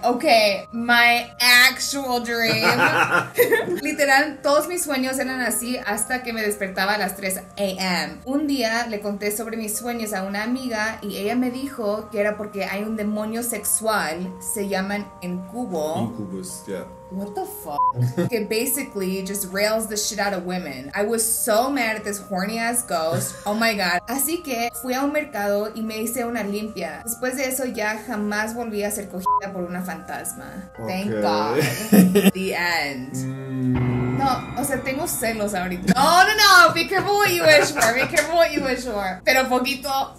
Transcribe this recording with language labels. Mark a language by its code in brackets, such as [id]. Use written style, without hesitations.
[en] Ok, my actual dream. [es] Literal, todos mis sueños eran así hasta que me despertaba a las 3 a.m. Un día le conté sobre mis sueños a una amiga y ella me dijo que era porque hay un demonio sexual. Se llaman incubo. [en] Incubus, yeah. What the fuck? It basically just rails the shit out of women. I was so mad at this horny ass ghost. Oh my god. [es] Así que fui a un mercado y me hice una limpia. Después de eso ya jamás volví a ser cogida por una fantasma. [en] Okay. Thank god. The end. [es] No, o sea, tengo celos ahorita. [en] No, no, no, be careful what you wish for. Be careful what you wish for. [es] Pero poquito.